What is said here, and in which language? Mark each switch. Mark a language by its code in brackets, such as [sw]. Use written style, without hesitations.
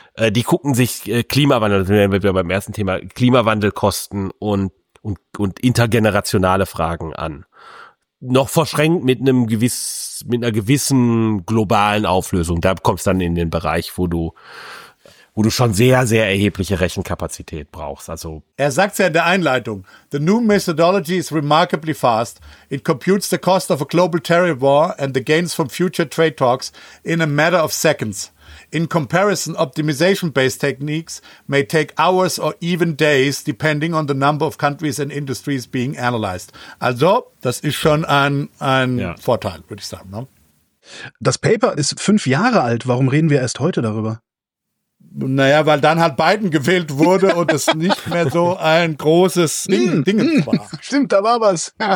[de] Die gucken sich Klimawandel, das sind wir beim ersten Thema, Klimawandelkosten und intergenerationale Fragen an. Noch verschränkt mit einer gewissen globalen Auflösung. Da kommst du dann in den Bereich, wo du schon sehr, sehr erhebliche Rechenkapazität brauchst. Also er sagt es ja in der Einleitung. [en] The new methodology is remarkably fast. It computes the cost of a global tariff war and the gains from future trade talks in a matter of seconds. In comparison, optimization-based techniques may take hours or even days, depending on the number of countries and industries being analyzed. [de] Also, das ist schon ein ja. Vorteil, würde ich sagen. Ne? Das Paper ist 5 Jahre alt. Warum reden wir erst heute darüber? Naja, weil dann halt Biden gewählt wurde und es nicht mehr so ein großes Ding war. Stimmt, da war was.